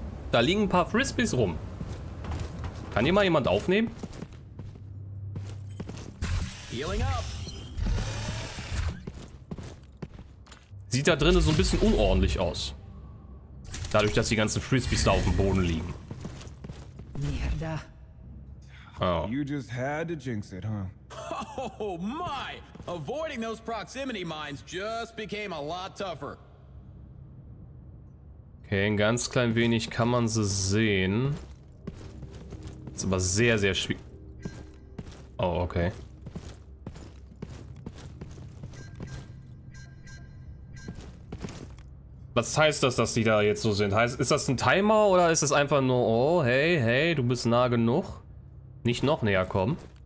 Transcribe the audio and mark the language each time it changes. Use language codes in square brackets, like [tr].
[de] Da liegen ein paar Frisbees rum. Kann hier mal jemand aufnehmen? [en] Healing up. [de] Sieht da drinnen so ein bisschen unordentlich aus. Dadurch, dass die ganzen Frisbees da auf dem Boden liegen. [es] Mierda. Oh. [en] You just had to jinx it, huh? Oh my! Avoiding those proximity mines just became a lot tougher. [de] Okay, ein ganz klein wenig kann man sie sehen. Ist aber sehr, sehr schwierig. Oh, okay. Was heißt das, dass die da jetzt so sind? Heißt, ist das ein Timer oder ist es einfach nur, oh, hey, hey, du bist nah genug? Nicht noch näher kommen.